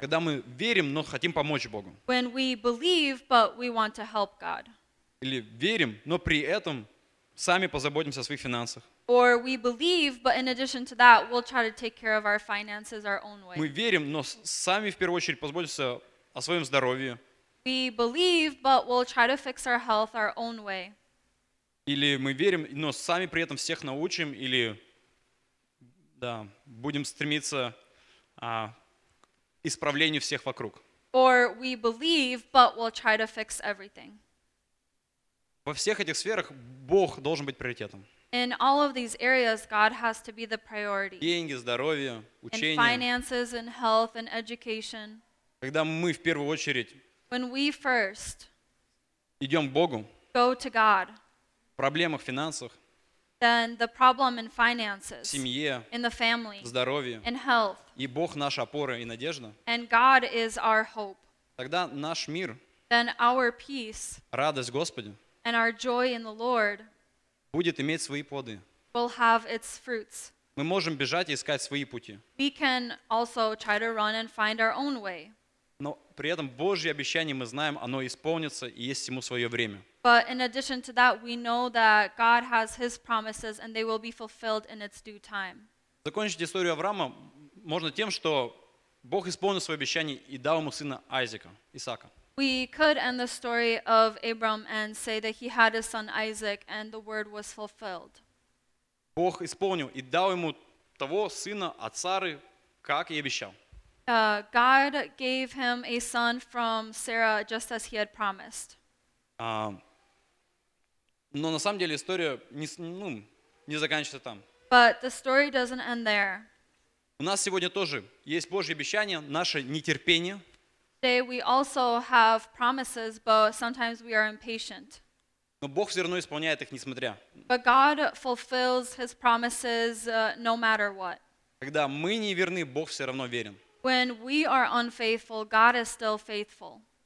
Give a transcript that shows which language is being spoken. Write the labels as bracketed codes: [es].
[ru] Когда мы верим, но хотим помочь Богу. [en] When we believe, but we want to help God. [ru] Или верим, но при этом сами позаботимся о своих финансах. [en] Or we believe, but in addition to that, we'll try to take care of our finances our own way. [ru] Мы верим, но сами в первую очередь позаботимся о своем здоровье. [en] We believe, but we'll try to fix our health our own way. [ru] Или мы верим, но сами при этом всех научим, или да, будем стремиться к исправлению всех вокруг. [en] Or we believe, but we'll try to fix everything. [ru] Во всех этих сферах Бог должен быть приоритетом. [en] In all of these areas, God has to be the priority. [ru] Деньги, здоровье, учение. [en] In finances, in health, in education. [ru] Когда мы в первую очередь [en] when we first [ru] идем к Богу, [en] go to God, [ru] в проблемах, в финансах, [en] then the problem in finances, [ru] в семье, [en] in the family, [ru] в здоровье, [en] in health, [ru] и Бог наша опора и надежда, [en] and God is our hope, [ru] тогда наш мир, [en] then our peace, [ru] радость Господи, [en] and our joy in the Lord, [ru] будет иметь свои плоды. [en] We'll have its fruits. [ru] Мы можем бежать и искать свои пути. [en] We can also try to run and find our own way. [ru] Но при этом Божье обещание мы знаем, оно исполнится и есть ему свое время. [en] But in addition to that, we know that God has His promises and they will be fulfilled in its due time. [ru] Закончить историю Авраама можно тем, что Бог исполнил свое обещание и дал ему сына Айзека, Исаака. [en] We could end the story of Abram and say that he had a son Isaac and the word was fulfilled. [ru] Бог исполнил и дал ему того сына от Сары, как и обещал. [en] God gave him a son from Sarah just as he had promised. [ru] Но на самом деле история не, ну, не заканчивается там. [en] But the story doesn't end there. [ru] У нас сегодня тоже есть Божье обещание, наше нетерпение. [en] Today we also have promises, but sometimes we are impatient. [ru] Но Бог все равно исполняет их, несмотря. [en] But God fulfills His promises no matter what. [ru] Когда мы не верны, Бог все равно верен. [en] When we are unfaithful, God is still faithful.